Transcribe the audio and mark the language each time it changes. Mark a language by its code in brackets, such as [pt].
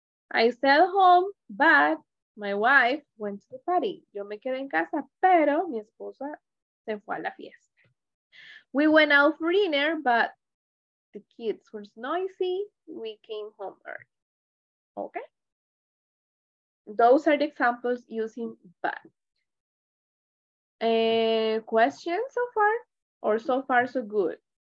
[en] I stayed home, but my wife went to the party. [es] Yo me quedé en casa, pero mi esposa se fue a la fiesta. [en] We went out for dinner, but the kids were noisy. We came home early. Okay? Those are the examples using but. Questions so far? Or so far, so good?